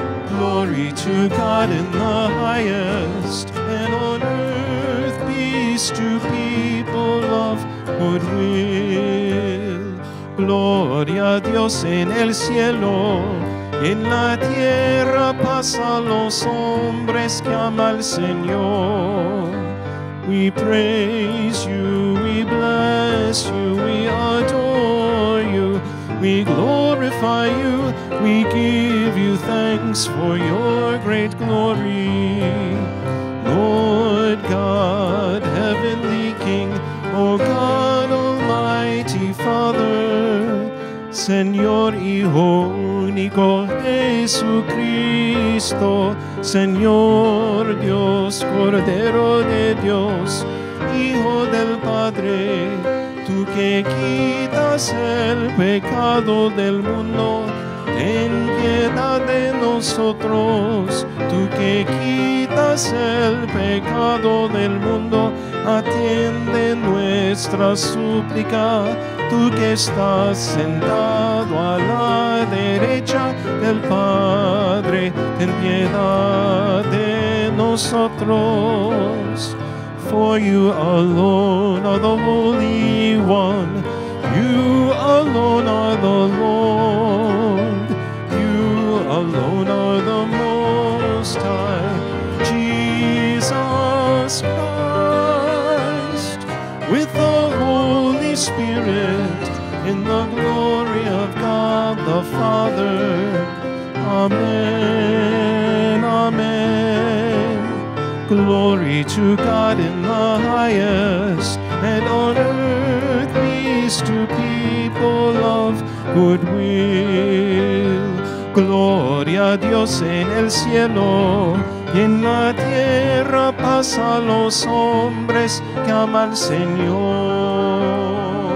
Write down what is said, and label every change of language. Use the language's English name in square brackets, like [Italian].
[English] Glory to God in the highest, and on earth peace to people of goodwill. [Spanish] Gloria a Dios en el cielo, en la tierra paz a los hombres que ama el Señor. [English] We praise you, we bless you, we adore you, we glorify you, we give you thanks for your great glory. Lord God, heavenly King, O God, almighty Father, [Spanish] Señor Hijo único, Jesucristo, Señor Dios, Cordero de Dios, Hijo del Padre, tú que quitas el pecado del mundo, ten piedad de nosotros. Tú que quitas el pecado del mundo, atiende nuestro. nuestra súplica, tú que estás sentado a la derecha del Padre, ten piedad de nosotros. [English] For you alone are the Holy One, you alone are the Lord, you alone are the Most High, Jesus Christ, with the Holy Spirit, in the glory of God the Father. Amen, amen. Glory to God in the highest, and on earth peace to people of goodwill. [Spanish] Gloria a Dios en el cielo, y en la tierra paz a los hombres que ama al Señor.